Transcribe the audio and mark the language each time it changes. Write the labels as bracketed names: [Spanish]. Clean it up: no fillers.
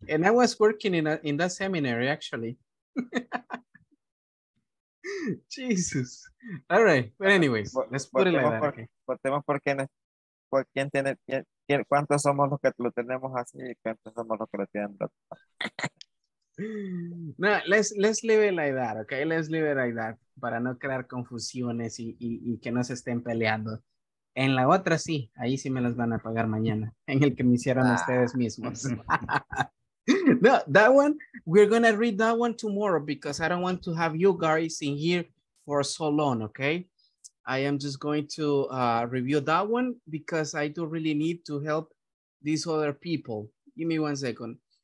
[English] And I was working in that seminary, actually. Jesus. All right, but anyways, let's put it like that. [Spanish] Votemos por quién es. ¿Por quién tiene? ¿Cuántos somos los que lo tenemos así y cuántos somos los que lo tienen? [English] No, let's leave it like that, okay? Let's leave it like that [Spanish] para no crear confusiones y que no se estén peleando. En la otra sí, ahí sí me las van a pagar mañana, en el que me hicieron ustedes mismos. [English] No, that one, we're gonna read that one tomorrow because I don't want to have you guys in here for so long, okay? I am just going to review that one because I do really need to help these other people. Give me one second.